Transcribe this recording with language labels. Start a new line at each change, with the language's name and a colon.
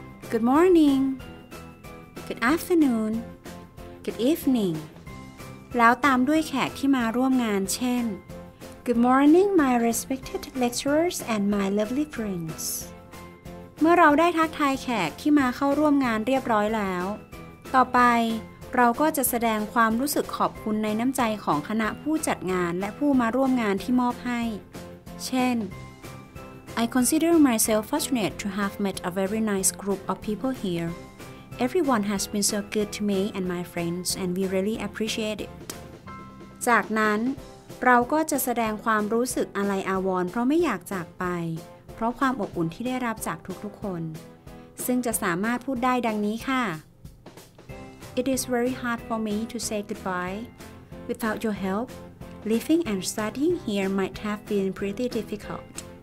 English: Good morning Good afternoon Good evening
Thai: แล้วตามด้วยแขกที่มาร่วมงานเช่น
English: Good morning my respected lecturers and my lovely friends
Thai: เมื่อเราได้ทักทายแขกที่มาเข้าร่วมงานเรียบร้อยแล้วต่อไป เราก็จะแสดงความรู้สึกขอบคุณในน้ำใจของคณะผู้จัดงานและผู้มาร่วมงานที่มอบให้เช่น
English: I consider myself fortunate to have met a very nice group of people here. Everyone has been so good to me and my friends and we really appreciate it.
Thai: จากนั้นเราก็จะแสดงความรู้สึกอาลัยอาวรณ์เพราะไม่อยากจากไปเพราะความอบอุ่นที่ได้รับจากทุกๆคนซึ่งจะสามารถพูดได้ดังนี้ค่ะ
English: It is very hard for me to say goodbye. Without your help, living and studying here might have been pretty difficult.